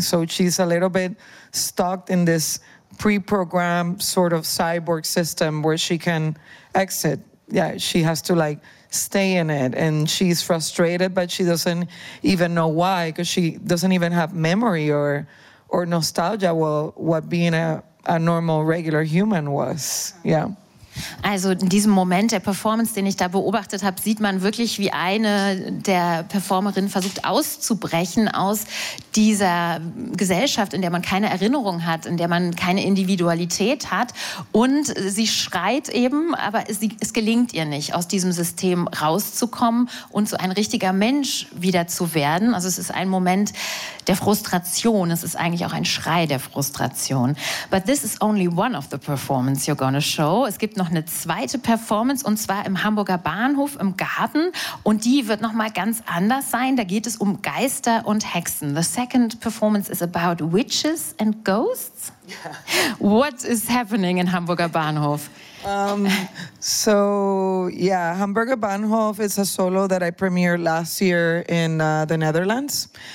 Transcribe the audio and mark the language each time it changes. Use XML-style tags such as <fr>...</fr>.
<en>So she's a little bit stuck in this pre-programmed sort of cyborg system where she can exit. Yeah, she has to like stay in it, and she's frustrated, but she doesn't even know why, because she doesn't even have memory or nostalgia of what being a normal, regular human was. Yeah.</en> <de>Also in diesem Moment der Performance, den ich da beobachtet habe, sieht man wirklich, wie eine der Performerinnen versucht auszubrechen aus dieser Gesellschaft, in der man keine Erinnerung hat, in der man keine Individualität hat. Und sie schreit eben, aber es gelingt ihr nicht, aus diesem System rauszukommen und so ein richtiger Mensch wieder zu werden. Also es ist ein Moment der Frustration. Es ist eigentlich auch ein Schrei der Frustration.</de> <en>But this is only one of the performances you're gonna show.</en> <de>Es gibt noch eine zweite Performance, und zwar im Hamburger Bahnhof im Garten, und die wird noch mal ganz anders sein. Da geht es um Geister und Hexen.</de> <en>The second performance is about witches and ghosts. Yeah. What is happening in Hamburger Bahnhof? Hamburger Bahnhof is a solo that I premiered last year in the Netherlands.</en>